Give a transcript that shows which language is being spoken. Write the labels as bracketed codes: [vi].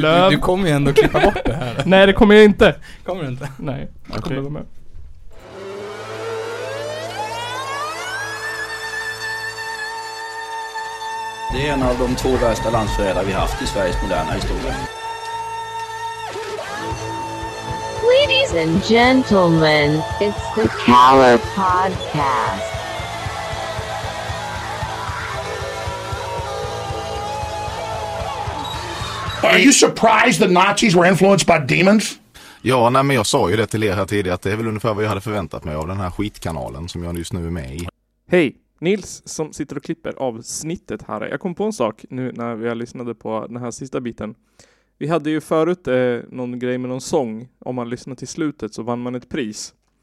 [sv] du kommer ju ändå klippa bort det här. Nej, det kommer jag inte. Kommer du inte? Nej, jag kommer vara med. Det är en av de två värsta landsförrädare vi haft i Sveriges moderna historia. [en] Ladies and gentlemen, it's the Caller Podcast. Are you surprised that Nazis were influenced by demons? [sv] Ja, nej, men jag sa ju det till er här tidigare att det är väl ungefär vad jag hade förväntat mig av den här skitkanalen som jag just nu är med i. Hej, Nils som sitter och klipper avsnittet här. Jag kom på en sak nu när vi lyssnade på den här sista biten. Vi hade ju förut någon grej med någon sång. Om man lyssnade till slutet så vann man ett pris.